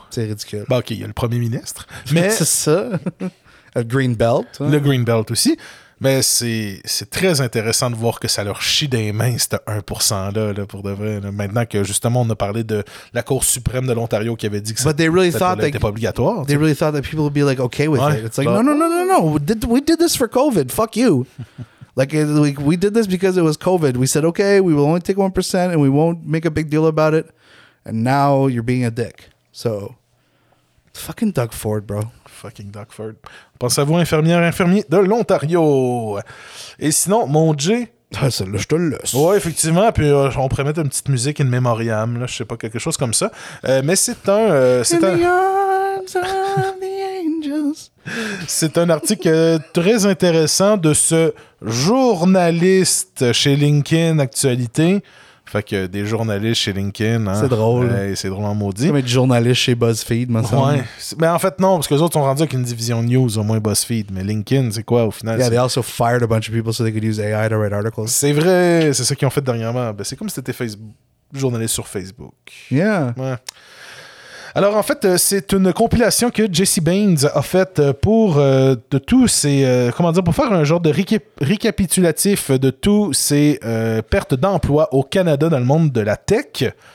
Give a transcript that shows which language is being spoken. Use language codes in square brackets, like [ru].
[fr] C'est ridicule. Bon, OK, il y a le premier ministre. Mais... c'est ça. Le Green Belt. Hein. Le Green Belt aussi. Mais c'est très intéressant de voir que ça leur chie des mains, ce 1%-là, là, pour de vrai. Là. Maintenant que, justement, on a parlé de la Cour suprême de l'Ontario qui avait dit que [en] but [fr] ça [en] really [fr] n'était pas obligatoire. [en] They really thought that people would be like, okay with it. It's like, no. We did this for COVID. Fuck you. like, we did this because it was COVID. We said, okay, we will only take 1% and we won't make a big deal about it. And now you're being a dick. So, fucking Doug Ford, bro. Fucking Doug Ford. [fr] Pense à vous, infirmière de l'Ontario. Et sinon, mon J. Ah, celle-là, je te le laisse. Ouais, effectivement. Puis on pourrait mettre une petite musique in memoriam, là, je sais pas, quelque chose comme ça. Mais c'est un. [en] In the arms of the angels. [fr] C'est un article très intéressant de ce journaliste chez LinkedIn Actualité. Fait que des journalistes chez LinkedIn. Hein? C'est drôle. Ouais, c'est drôlement maudit. C'est comme être journaliste chez BuzzFeed, moi, ça. Ouais. Mais en fait, non, parce que les autres sont rendus avec une division news, au moins BuzzFeed. Mais LinkedIn, c'est quoi, au final? [en] Yeah, [fr] c'est... [en] they also fired a bunch of people so they could use AI to write articles. [fr] C'est vrai, c'est ça qu'ils ont fait dernièrement. Ben, c'est comme si t'étais journaliste sur Facebook. [en] Yeah. [fr] Ouais. Alors, en fait, c'est une compilation que Jesse Baines a faite pour de tous ces, comment dire, pour faire un genre de récapitulatif de tous ces pertes d'emploi au Canada dans le monde de la tech.